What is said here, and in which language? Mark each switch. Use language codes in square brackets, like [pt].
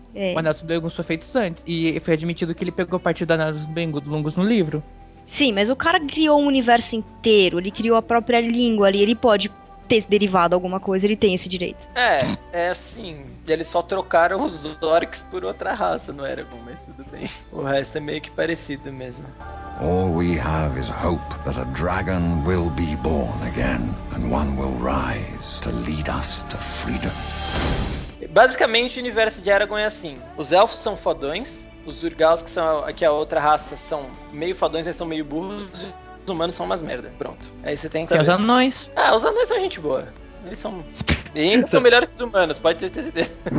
[pt] É. O Anel dos Belungos foi feito antes. E foi admitido que ele pegou parte do Anel dos Belungos no livro. Sim, mas o cara criou um universo inteiro. Ele criou a própria língua ali. Ele pode ter derivado alguma coisa, ele tem esse direito. É assim, eles só trocaram os orcs por outra raça, não era bom, mas tudo bem. O resto é meio que parecido mesmo. [en] All we have is hope that a dragon will be born again and one will rise to lead us to freedom. [pt] Basicamente, o universo de Aragorn é assim: os elfos são fodões, os Urgals, que são aqui a outra raça, são meio fodões, mas são meio burros. Os humanos são umas merda. Pronto. Aí você tenta. Tem os anões. Ah, os anões são gente boa. Eles são. Eles são melhores que os humanos, pode ter certeza.